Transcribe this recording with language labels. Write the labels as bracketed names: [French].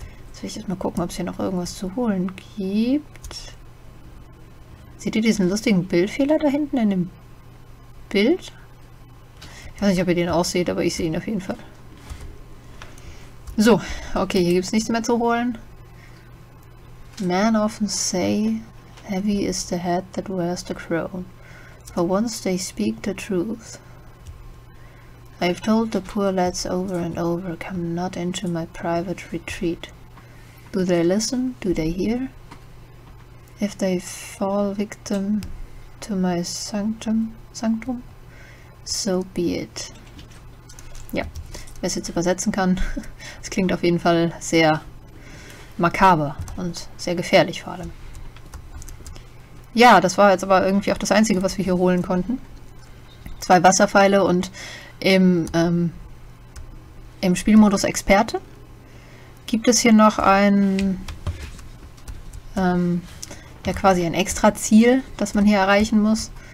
[German] Jetzt will ich jetzt mal gucken, ob es hier noch irgendwas zu holen gibt. Seht ihr diesen lustigen Bildfehler da hinten in dem Bild? Ich weiß nicht, ob ihr den auch seht, aber ich sehe ihn auf jeden Fall. So, okay, hier gibt es nichts mehr zu holen. [English] Men often say, heavy is the head that wears the crown. For once they speak the truth. I've told the poor lads over and over, come not into my private retreat. Do they listen? Do they hear? If they fall victim to my sanctum, so be it. [German] Ja, wer es jetzt übersetzen kann, es klingt auf jeden Fall sehr makaber und sehr gefährlich vor allem. Ja, das war jetzt aber irgendwie auch das Einzige, was wir hier holen konnten. Zwei Wasserpfeile und im Spielmodus Experte gibt es hier noch ein ja quasi ein extra Ziel, das man hier erreichen muss.